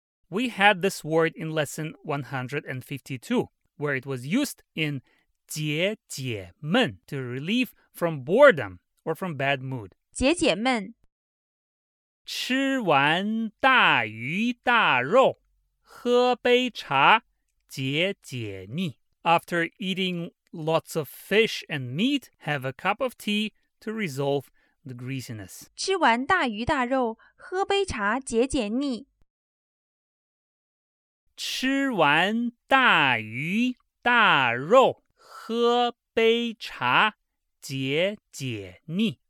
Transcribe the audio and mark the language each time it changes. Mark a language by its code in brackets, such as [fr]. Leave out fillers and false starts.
[en] We had this word in lesson 152, where it was used in 解解闷, to relieve from boredom or from bad mood. [zh] 解解闷。吃完大鱼大肉，喝杯茶，解解腻。 [en] After eating lots of fish and meat, have a cup of tea to resolve the greasiness. [zh] 吃完大鱼大肉，喝杯茶，解解腻。吃完大鱼大肉，喝杯茶，解解腻。